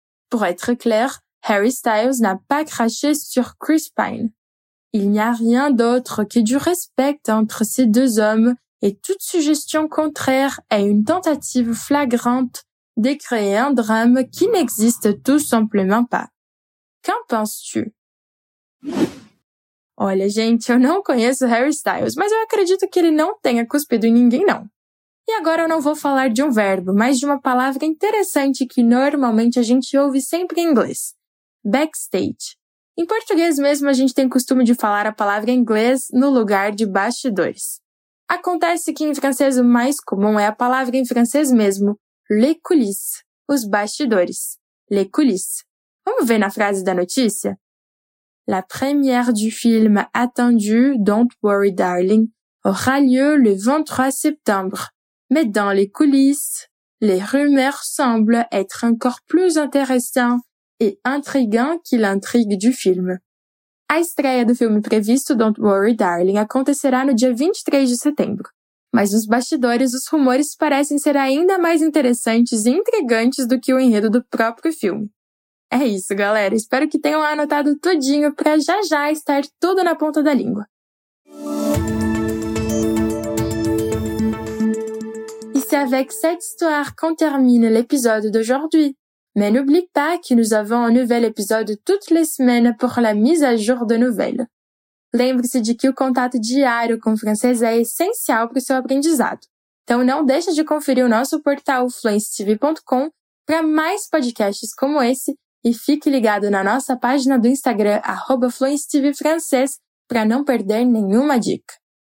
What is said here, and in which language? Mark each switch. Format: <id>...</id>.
<fr>Pour être clair, Harry Styles n'a pas craché sur Chris Pine. Il n'y a rien d'autre que du respect entre ces deux hommes et toute suggestion contraire est une tentative flagrante de créer un drame qui n'existe tout simplement pas. Qu'en penses-tu?</fr> <pt>Olha, gente, eu não conheço Harry Styles, mas eu acredito que ele não tenha cuspido em ninguém, não. E agora eu não vou falar de um verbo, mas de uma palavra interessante que normalmente a gente ouve sempre em inglês. Backstage. Em português mesmo, a gente tem o costume de falar a palavra em inglês no lugar de bastidores. Acontece que em francês o mais comum é a palavra em francês mesmo,</pt> <fr>les coulisses,</fr> <pt>os bastidores.</pt> <fr>Les coulisses.</fr> <pt>Vamos ver na frase da notícia?</pt> <fr>La première du film attendu, Don't Worry Darling, aura lieu le 23 septembre. Mais dans les coulisses, les rumeurs semblent être encore plus intéressantes et intrigantes que l'intrigue du film.</fr> <pt>A estreia do filme previsto, Don't Worry Darling, acontecerá no dia 23 de setembro. Mas nos bastidores, os rumores parecem ser ainda mais interessantes e intrigantes do que o enredo do próprio filme. É isso, galera. Espero que tenham anotado tudinho para já já estar tudo na ponta da língua.</pt> <fr>E c'est avec cette histoire qu'on termine l'épisode d'aujourd'hui. Mais n'oublie pas que nous avons un nouvel épisode toutes les semaines pour la mise à jour de nouvelles.</fr> <pt>Lembre-se de que o contato diário com o francês é essencial para o seu aprendizado. Então, não deixe de conferir o nosso portal fluencytv.com para mais podcasts como esse e fique ligado na nossa página do Instagram, @fluencytvfrancês, para não perder nenhuma dica.</pt>